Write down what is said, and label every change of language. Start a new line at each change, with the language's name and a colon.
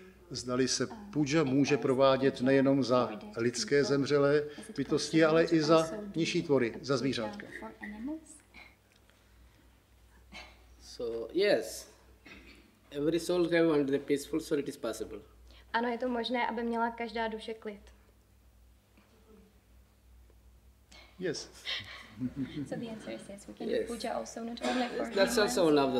Czech: Zdali se puja může provádět nejenom za lidské zemřelé bytosti, ale i za nižší tvory, za zvířátka.
English: So yes, every soul have under the peaceful soul it is possible.
Czech: Ano, je to možné, aby měla každá duše klid.
English: Yes. So the answer is yes. We can yes. Puja also not only for animals, also love the